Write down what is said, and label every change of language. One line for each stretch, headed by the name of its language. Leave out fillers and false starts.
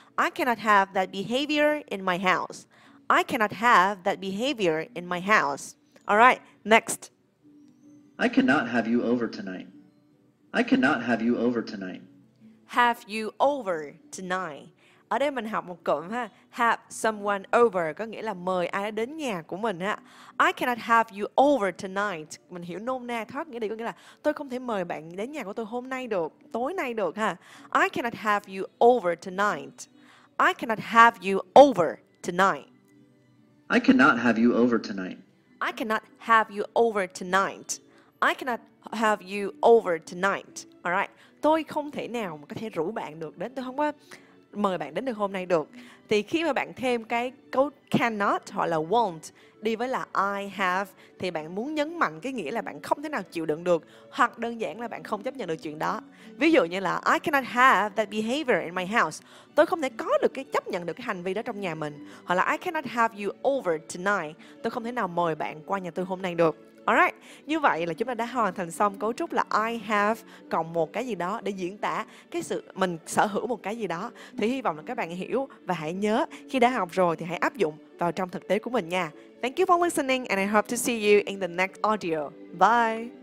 English: I cannot have that behavior in my house. I cannot have that behavior in my house. All right, next. I cannot have you over tonight. I cannot have you over tonight. Have you over tonight?
Vietnamese: Ở đây mình học một cụm ha,
English: have someone over
Vietnamese: có nghĩa là mời ai đó đến nhà của mình ha.
English: I cannot have you over tonight.
Vietnamese: Mình hiểu nôm na thoát nghĩa đi có nghĩa là tôi không thể mời bạn đến nhà của tôi hôm nay được, tối nay được ha.
English: I cannot have you over tonight. I cannot have you over tonight. I cannot have you over tonight. I cannot have you over tonight. I cannot have you over tonight. All right.
Vietnamese: Tôi không thể nào mà có thể rủ bạn được đến, tôi không có mời bạn đến được hôm nay được. Thì khi mà bạn thêm cái câu cannot hoặc là won't đi với là
English: I have
Vietnamese: thì bạn muốn nhấn mạnh cái nghĩa là bạn không thể nào chịu đựng được, hoặc đơn giản là bạn không chấp nhận được chuyện đó. Ví dụ như là
English: I cannot have that behavior in my house.
Vietnamese: Tôi không thể có được cái chấp nhận được cái hành vi đó trong nhà mình. Hoặc là
English: I cannot have you over tonight.
Vietnamese: Tôi không thể nào mời bạn qua nhà tôi hôm nay được. Alright, như vậy là chúng ta đã hoàn thành xong cấu trúc là
English: I have
Vietnamese: cộng một cái gì đó để diễn tả cái sự mình sở hữu một cái gì đó. Thì hy vọng là các bạn hiểu và hãy nhớ khi đã học rồi thì hãy áp dụng vào trong thực tế của mình nha.
English: Thank you for listening and I hope to see you in the next audio. Bye!